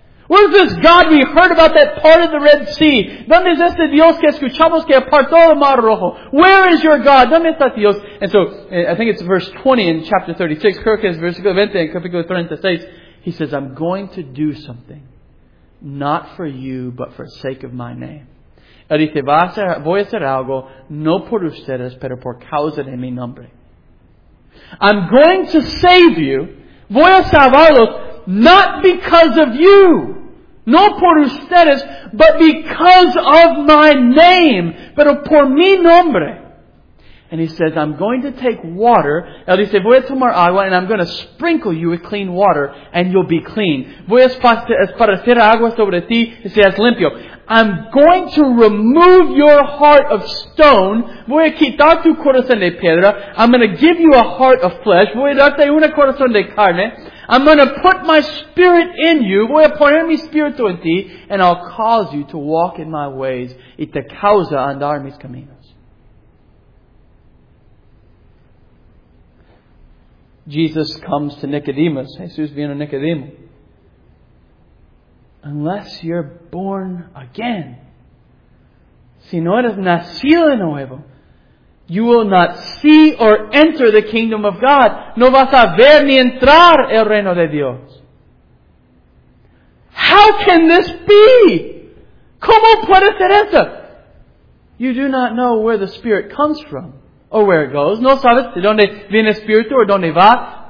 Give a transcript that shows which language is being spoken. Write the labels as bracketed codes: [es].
[en] Where's this God we heard about that parted the Red Sea? [es] ¿Dónde es este Dios que escuchamos que apartó el Mar Rojo? [en] Where is your God? [es] ¿Dónde está Dios? [en] And so, I think it's verse 20 in chapter 36. [es] Creo que es versículo 20 en capítulo 36. [en] He says, I'm going to do something, not for you, but for sake of my name. [es] Él dice, voy a hacer algo, no por ustedes, pero por causa de mi nombre. [en] I'm going to save you, [es] voy a salvarlos, [en] not because of you, [es] no por ustedes, [en] but because of my name, [es] pero por mi nombre. [en] And he says, I'm going to take water. [es] Él dice, voy a tomar agua [en] and I'm going to sprinkle you with clean water and you'll be clean. [es] Voy a esparcir agua sobre ti y seas limpio. [en] I'm going to remove your heart of stone. [es] Voy a quitar tu corazón de piedra. [en] I'm going to give you a heart of flesh. [es] Voy a darte un corazón de carne. [en] I'm going to put my spirit in you. [es] Voy a poner mi espíritu en ti. [en] And I'll cause you to walk in my ways. [es] Y te causa andar mis caminos. [en] Jesus comes to Nicodemus. [es] Jesús vino a Nicodemo. [en] Unless you're born again, [es] si no eres nacido de nuevo, [en] you will not see or enter the kingdom of God. [es] No vas a ver ni entrar el reino de Dios. [en] How can this be? [es] ¿Cómo puede ser eso? [en] You do not know where the Spirit comes from. Or where it goes. [es] No sabes de dónde viene el Espíritu o dónde va.